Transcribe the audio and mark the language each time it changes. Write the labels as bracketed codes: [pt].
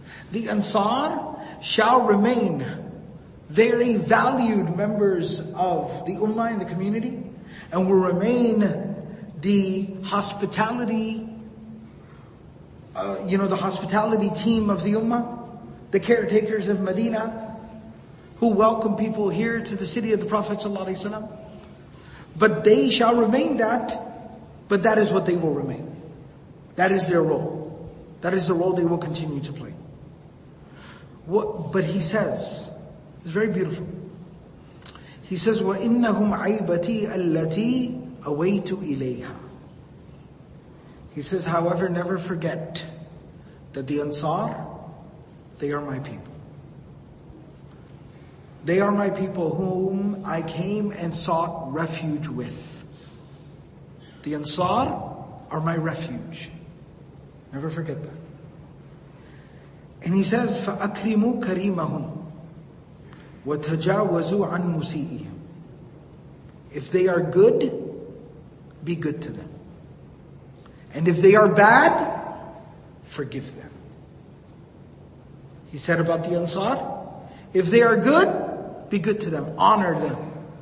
[en] The Ansar shall remain very valued members of the Ummah and the community, and will remain the hospitality, the hospitality team of the Ummah, the caretakers of Medina, who welcome people here to the city of the Prophet ﷺ. But they shall remain that, but that is what they will remain. That is their role. That is the role they will continue to play. But he says, it's very beautiful. He says, [ar] وَإِنَّهُمْ عَيْبَتِي أَلَّتِي أَوَيْتُ إِلَيْهَا. [en] He says, however, never forget that the Ansar, they are my people. They are my people whom I came and sought refuge with. The Ansar are my refuge. Never forget that. And he says, [ar] فَأَكْرِمُوا كَرِيمَهُمْ وَتَجَاوَزُوا عَنْ مُسِيئِهِمْ. [en] If they are good, be good to them. And if they are bad, forgive them. He said about the Ansar, if they are good, be good to them, honor them.